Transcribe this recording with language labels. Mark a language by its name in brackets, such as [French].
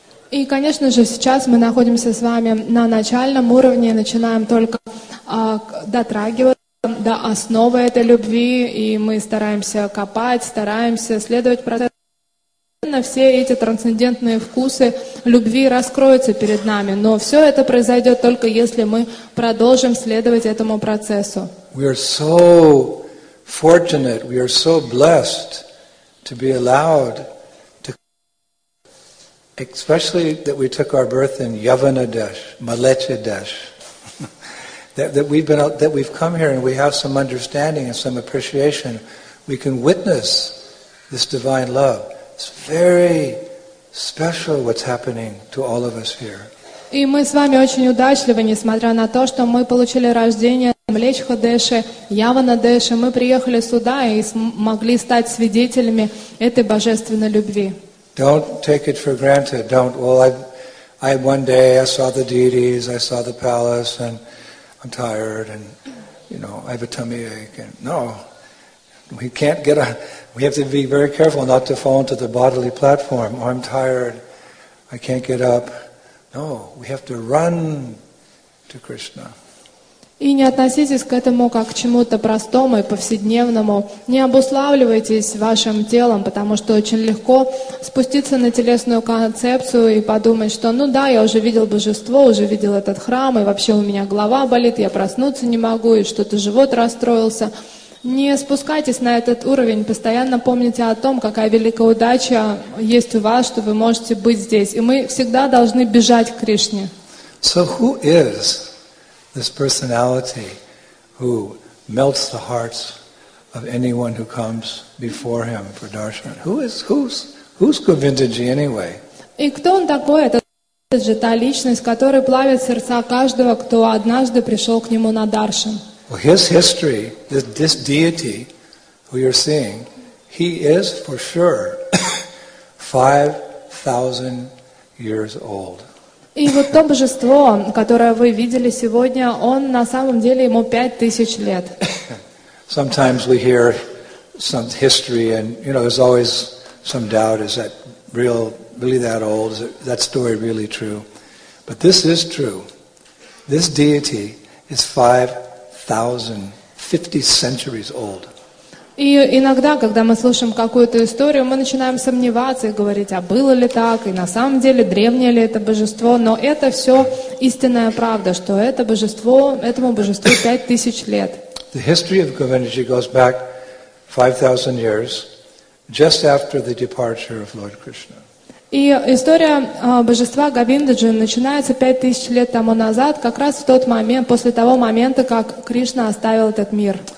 [Russian] И, конечно же, сейчас мы находимся с вами на начальном уровне, начинаем только дотрагиваться до основы этой любви, и мы стараемся копать, стараемся следовать процессу. Все эти трансцендентные вкусы любви раскроются перед нами, но все это произойдет только если мы продолжим следовать этому процессу. [English] We are so fortunate, we are so blessed to be allowed to, especially that we took our birth in Yavana Desh, Malecha Desh, that we've come here and we have some understanding and some appreciation, we can witness this divine love. It's very special what's happening to all of us here. [Russian] И мы с вами очень удачливы, несмотря на то, что мы получили рождение в Млечхо-деше, Явана-деше, мы приехали сюда и смогли стать свидетелями этой божественной любви. [English] Don't take it for granted. Don't. Well, I one day I saw the deities, I saw the palace, and I'm tired, and you know, I have a tummy ache. And no, we can't get a. We have to be very careful not to fall into the bodily platform. Oh, I'm tired. I can't get up. No, we have to run to Krishna. [Russian] И не относитесь к этому как к чему-то простому и повседневному. Не обуславливайтесь вашим телом, потому что очень легко спуститься на телесную концепцию и подумать, что ну да, я уже видел божество, уже видел этот храм, и вообще у меня голова болит, я проснуться не могу, и что-то живот расстроился. Не спускайтесь на этот уровень, постоянно помните о том, какая великая удача есть у вас, что вы можете быть здесь. И мы всегда должны бежать к Кришне. [English] So who is this personality who melts the hearts of anyone who comes before him for darshan? Who's Govindaji anyway? [Russian] И кто он такой, этот Это же та личность, которая плавит сердца каждого, кто однажды пришел к нему на даршан. [English] Well, his history, this deity who you're seeing, he is for sure 5,000 years old. [Russian] И вот то божество, которое вы видели сегодня, он на самом деле ему 5000 лет. [English] Sometimes we hear some history and, you know, there's always some doubt, is that really that old? Is that story really true? But this is true. This deity is 5,050 centuries old. [Russian] И иногда, когда мы слушаем какую-то историю, мы начинаем сомневаться и говорить, а было ли так, и на самом деле древнее ли это божество, но это все истинная правда, что это божество, этому божеству 5000 лет. [English] The history of Govindji goes back 5000 years, just after the departure of Lord Krishna. [Russian] И история божества Говиндаджи начинается 5000 лет тому назад, как раз в тот момент, после того момента, как Кришна оставил этот мир.